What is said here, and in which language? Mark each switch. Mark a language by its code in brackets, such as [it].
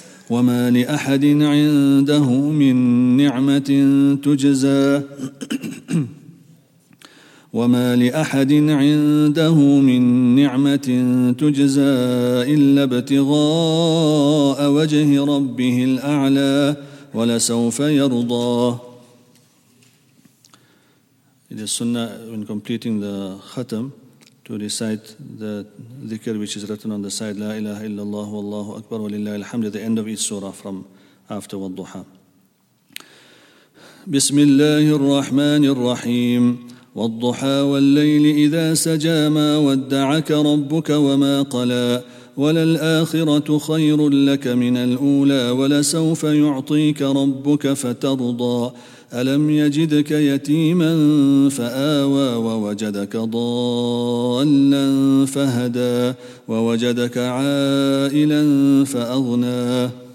[ar] وما لأحد عنده من نعمة تجزى وما لأحد عنده من نعمة تجزى إلا ابتغاء وجه ربه الأعلى ولسوف يرضى. [en] It is sunnah when completing the khatam to recite the dhikr which is written on the side, [ar] La ilaha illallah, wallahu akbar, walillahi alhamd, [en] at the end of each surah from after wadduha. [ar] Bismillahir Rahmanir Rahim. والضحى والليل إذا سجى ما ودعك ربك وما قلى وللآخرة خير لك من الأولى ولسوف يعطيك ربك فترضى ألم يجدك يتيما فآوى ووجدك ضالا فهدى ووجدك عائلا فأغنى